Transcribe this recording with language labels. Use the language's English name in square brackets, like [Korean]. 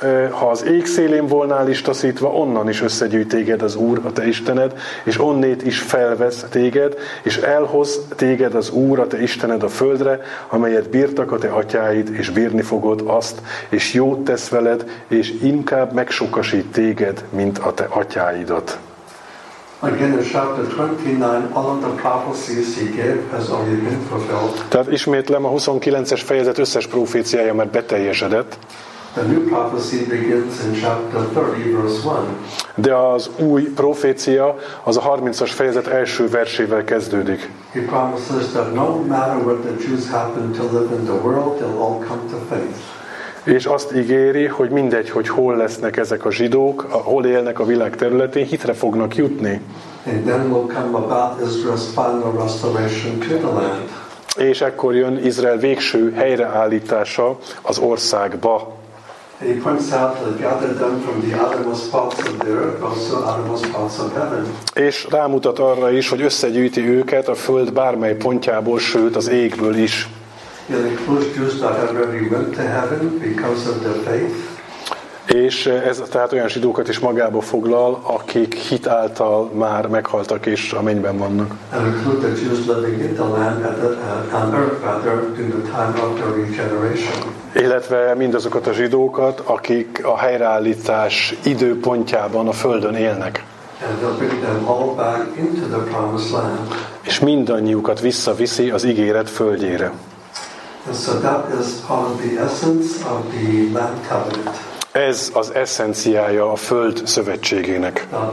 [Hungarian] ha az ég szélén volnál is taszítva, onnan is összegyűjt téged az Úr, a te Istened, és onnét is felvesz téged, és elhoz téged az Úr, a te Istened a földre, amelyet bírtak a te atyáid, és bírni fogod azt, és jót tesz veled, és inkább megsokasít téged, mint a te atyáidat. [English] Again, in chapter 29, all of the prophecies he gave has already been fulfilled. [Hungarian] Tehát ismétlem, a 29-es fejezet összes proféciája már beteljesedett. [English] The new prophecy begins in chapter 30, verse 1. [Hungarian] De az új profécia az a 30-as fejezet első versével kezdődik. [English] He promises that no matter what the Jews happen to live in the world, they'll all come to faith. [Hungarian] És azt ígéri, hogy mindegy, hogy hol lesznek ezek a zsidók, hol élnek a világ területén, hitre fognak jutni. [English] And then will come about Israel's final restoration to the land. [Hungarian] És ekkor jön Izrael végső helyreállítása az országba. [English] He points out that gathered them from the outermost parts of the earth, also outermost parts of heaven. [Hungarian] És rámutat arra is, hogy összegyűjti őket a föld bármely pontjából, sőt az égből is. [English] He'll include Jews that have already went to heaven because of their faith. [Hungarian] És ez tehát olyan zsidókat is magába foglal, akik hit által már meghaltak és a mennyben vannak. [English] And include the Jews living in the land at the, on earth rather in the time of their regeneration. [Hungarian] Illetve mindazokat a zsidókat, akik a helyreállítás időpontjában a földön élnek. [English] And they'll bring them all back into the promised land. [Hungarian] És mindannyiukat visszaviszi az ígéret földjére. [English] And so that is part of the essence of the land covenant. [Hungarian] Ez az eszenciája a Föld szövetségének.